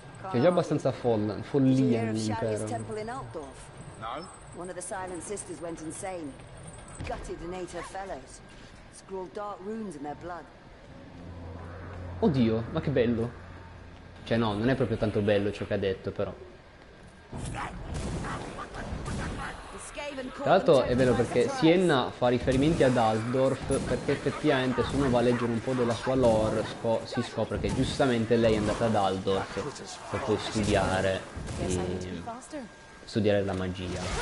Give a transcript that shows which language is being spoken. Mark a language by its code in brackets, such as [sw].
[it] C'è già abbastanza follia nell'impero. No? [en] One of the Silent Sisters went insane. Gutted and ate her fellows. Scrawled dark runes in their blood. [it] Oddio, ma che bello. Cioè no, non è proprio tanto bello ciò che ha detto, però. Tra l'altro è bello perché Sienna fa riferimenti ad Altdorf, perché effettivamente se uno va a leggere un po' della sua lore si scopre che giustamente lei è andata ad Altdorf per poi studiare e studiare la magia.